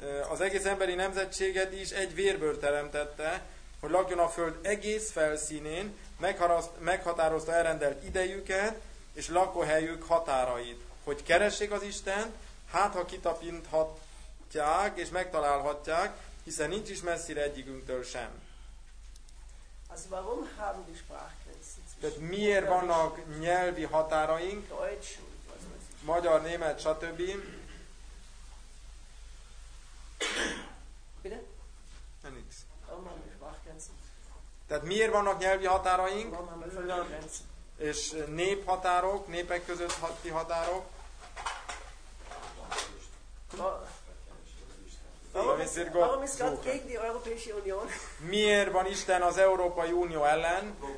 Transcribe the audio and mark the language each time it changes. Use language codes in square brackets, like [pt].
[hu] Az egész emberi nemzetséget is egy vérből teremtette, hogy lakjon a föld egész felszínén, meghatározta elrendelt idejüket és lakóhelyük határait, hogy keressék az Istent, hát ha kitapinthatják és megtalálhatják, hiszen nincs is messzire egyikünktől sem. [de] Also warum haben die Sprachgrenzen? [hu] Tehát miért vannak nyelvi határaink? [de] Deutsch, [hu] magyar, német, stb. [de] Bitte? Na nix. Warum haben die Sprachgrenzen? [hu] Tehát miért vannak nyelvi határaink? [de] Warum haben wir Völkergrenzen? [hu] És néphatárok, népek között ti határok? [de] Warum ist Gott gegen die Europäische Union? [hu] Miért van Isten az Európai Unió ellen?